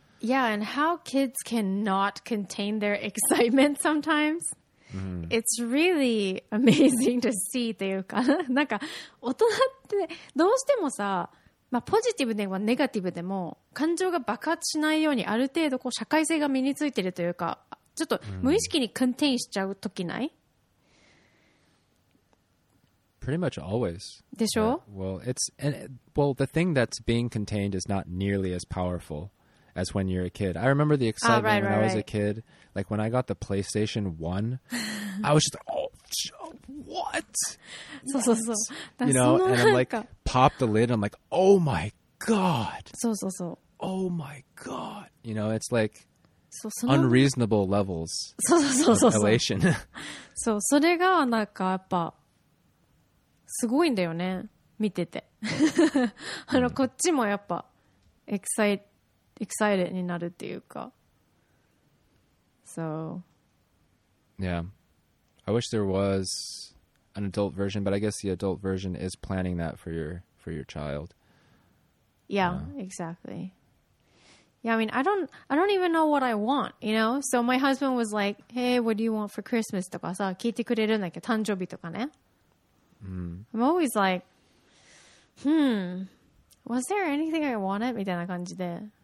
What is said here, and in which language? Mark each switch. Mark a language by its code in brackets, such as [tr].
[en] And how kids cannot contain their excitement sometimes. Mm-hmm. It's really amazing to see [ja] っていうか、なんか大人ってどうしてもさ、まあ、ポジティブでもネガティブでも感情が爆発しないようにある程度こう社会性が身についてるというか、ちょっと無意識にコンテインしちゃうときない、 [en] mm. Pretty much always. [ja] でしょ、 [en] yeah. Well, it's, and, well, the thing that's being contained is not nearly as powerful as when you're a kid. I remember the excitement when I was a kid. Like when I got the PlayStation 1, I was just like, oh, what? [ja] そうそうそう。 [en] You know, and I'm like... pop the lid, I'm like, oh my god. So, so, so. Oh my god. You know, it's like unreasonable levels of elation. [ja] So, それがなんかやっぱすごいんだよね、見てて。あの、こっちもやっぱ excited になるっていうか。So. [en] Yeah. I wish there was... an adult version, but I guess the adult version is planning that for your child. Yeah, you know? Exactly. Yeah, I mean, I don't even know what I want, you know? So my husband was like, hey, what do you want for Christmas? [ja] とかさ、聞いてくれるんだけど、誕生日とかね。 [en] I'm always like, was there anything I wanted? [ja] みたいな感じで。